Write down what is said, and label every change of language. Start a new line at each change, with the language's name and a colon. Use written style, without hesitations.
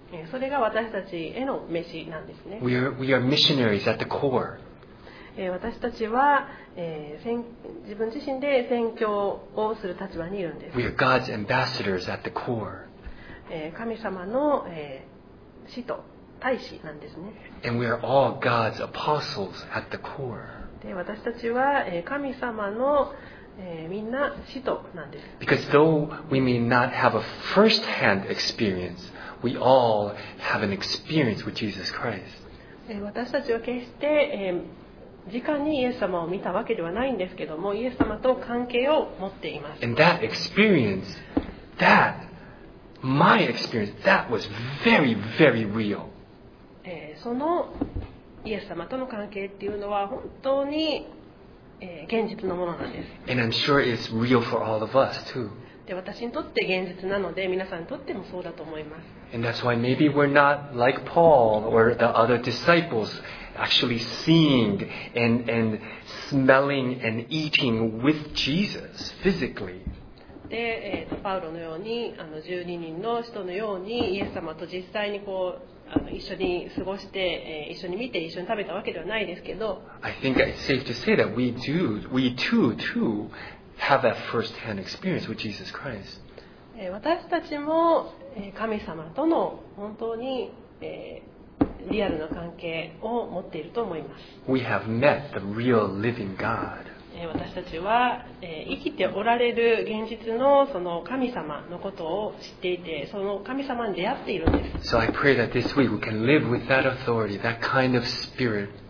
Japanese: それが私たちへの召しなんですね。
English: We are missionaries at the core.
Japanese: 私たちは、自分自身で宣教をする立場にいるんです。
English: We are God's ambassadors at the core.
Japanese: 神様の、使徒、大使なんですね。
English: And we are all God's apostles at the core.
Japanese: で、私たちは、神様の、みんな使徒なんです。
English: Because though we may not have a first-hand experience, we all have an experience with Jesus Christ.
Japanese: 私たちは決して、直にイエス様を見たわけではないんですけども、イエス様と関係を持っています。
English: And that experience, thatMy experience, that was very, very real.
Japanese: そのイエス様との関係っていうのは本当に、現実のものなんです。
English: And I'm sure it's real for all of us too.
Japanese: で、私にとって現実なので、皆さんにとってもそうだと思います。
English: And that's why maybe we're not like Paul or the other disciples actually seeing and smelling and eating with Jesus physically.
Japanese: で、パウロのように12人の人のようにイエス様と実際にこう一緒に過ごして、一緒に見て一緒に食べたわけではないですけど、
English: I think it's safe to say that we too have a first hand experience with Jesus Christ.
Japanese: 私たちも神様との本当に、リアルな関係を持っていると思います。
English: We have met the real living God.
Japanese: 私たちは、生きておられる現実 の, その神様のことを知っていて、その神様に出会っているんです。
English: So I pray that this week we can live with that authority, that kind of spirit.